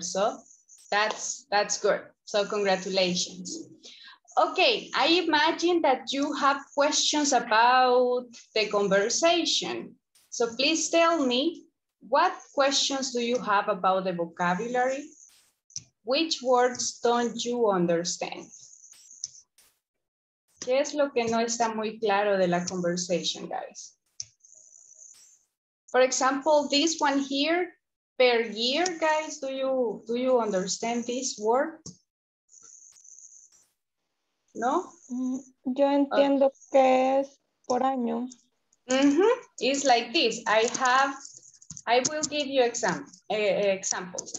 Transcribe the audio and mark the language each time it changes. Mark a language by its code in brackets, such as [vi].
[en] So that's good. So congratulations. Okay, I imagine that you have questions about the conversation. So please tell me, what questions do you have about the vocabulary? Which words don't you understand? [es] ¿Qué es lo que no está muy claro de la conversation, guys? [en] For example, this one here, per year, guys, do you understand this word? No? [es] Yo entiendo que es por año. [en] Mm-hmm. It's like this. I will give you examples.